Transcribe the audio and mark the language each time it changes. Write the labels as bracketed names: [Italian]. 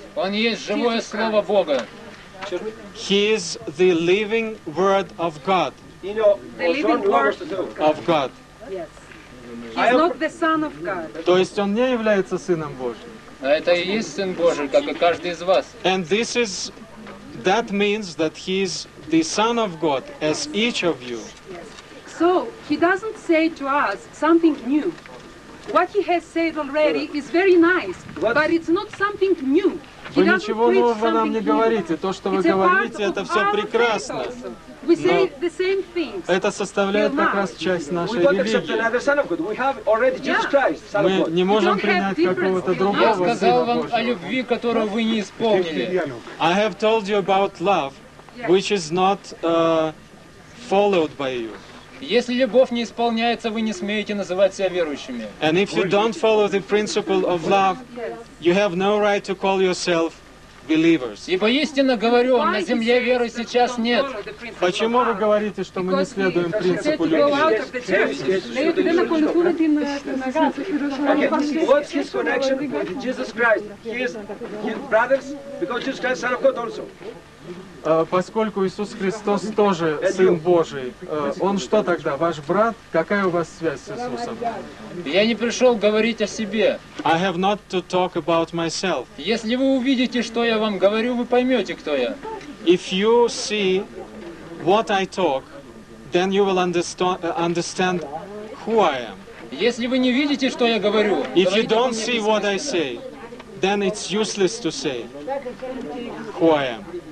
[Russian] Он есть живое слово Бога. [English] He is the living word of God. The living word of God. Yes. He's not the son of God. [Russian] То есть он не является сыном Божьим. А это и есть сын Божий, как и каждый из вас. [English] And this is that means that he is the son of God as each of you. So, he doesn't say to us something new. What he has said already is very nice, but it's not something new. [Russian] Вы ничего нового нам не говорите. То, что вы говорите, это все прекрасно. [English] We say the same things. [Russian] Это составляет как раз часть нашей религии. [English] We have already Jesus Christ. [Russian] Мы не можем принять какого-то другого сына Божьего. Я сказал вам о любви, которую вы не исполнили. [English] I have told you about love, which is not followed by you. [Russian] Если любовь не исполняется, вы не смеете называть себя верующими. [English] And if you don't follow the principle of love, you have no right to call yourself believers. [Russian] И поистине говорю, на земле веры сейчас нет. Почему вы говорите, что мы не следуем принципу любви? [English] Because we have to go out of the church. What's his connection with Jesus Christ? He is his brothers, because Jesus Christ is son of God also. [Russian] Поскольку Иисус Христос тоже Сын Божий, Он что тогда, ваш брат? Какая у вас связь с Иисусом? Я не пришел говорить о себе. [English] I have not to talk about myself. [Russian] Если вы увидите, что я вам говорю, вы поймете, кто я. [English] If you see what I talk, then you will understand who I am. [Russian] Если вы не видите, что я говорю, [English] if you don't see what I say, then it's useless to say who I am.